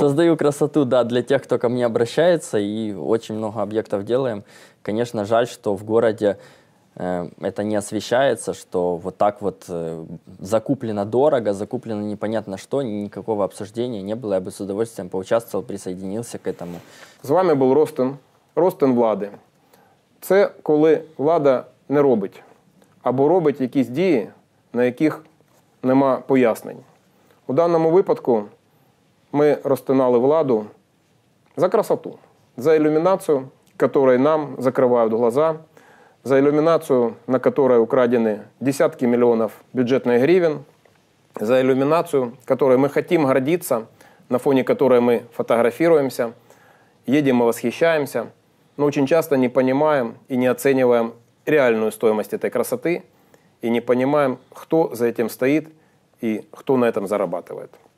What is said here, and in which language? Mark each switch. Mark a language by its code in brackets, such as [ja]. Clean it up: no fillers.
[ru] Создаю красоту, да, для тех, кто ко мне обращается, и очень много объектов делаем. Конечно, жаль, что в городе это не освещается, что вот так вот закуплено дорого, закуплено непонятно что, никакого обсуждения не было. Я бы с удовольствием поучаствовал, присоединился к этому. [uk] З вами був Ростен, Ростен влади. Це коли влада не робить або робить якісь дії, на яких нема пояснень. [ru] У даному випадку ми розтинали владу за красоту, за ілюмінацію, которой нам закривають глаза, за иллюминацию, на которой украдены десятки миллионов бюджетных гривен, за иллюминацию, которой мы хотим гордиться, на фоне которой мы фотографируемся, едем и восхищаемся, но очень часто не понимаем и не оцениваем реальную стоимость этой красоты и не понимаем, кто за этим стоит и кто на этом зарабатывает.